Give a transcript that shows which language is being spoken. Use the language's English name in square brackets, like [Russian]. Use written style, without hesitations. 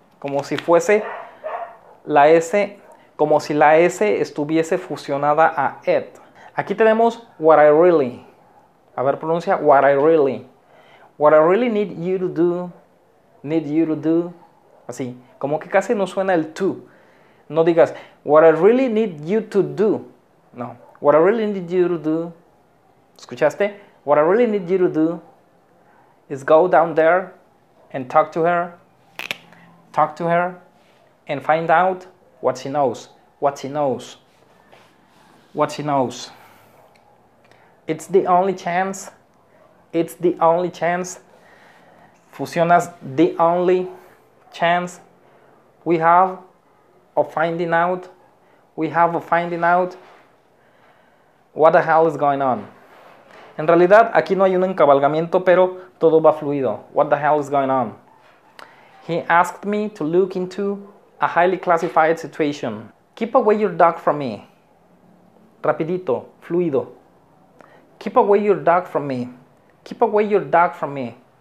[Spanish] Como si fuese la S, como si la S estuviese fusionada a it. Aquí tenemos [English] what I really. [Spanish] A ver, pronuncia [English] what I really. What I really need you to do, need you to do. [Spanish] Así, como que casi no suena el to. No digas, [English] what I really need you to do. No, what I really need you to do. [Spanish] ¿Escuchaste? [English] What I really need you to do is go down there and talk to her. Talk to her and find out what she knows. What she knows. What she knows. It's the only chance. It's the only chance. [Spanish] Fusionas [English] the only chance we have of finding out. We have of finding out what the hell is going on. [Spanish] En realidad, aquí no hay un encabalgamiento, pero todo va fluido. [English] What the hell is going on? He asked me to look into a highly classified situation. Keep away your dog from me. [Spanish] Rapidito, fluido. [English] Keep away your dog from me. Keep away your dog from me.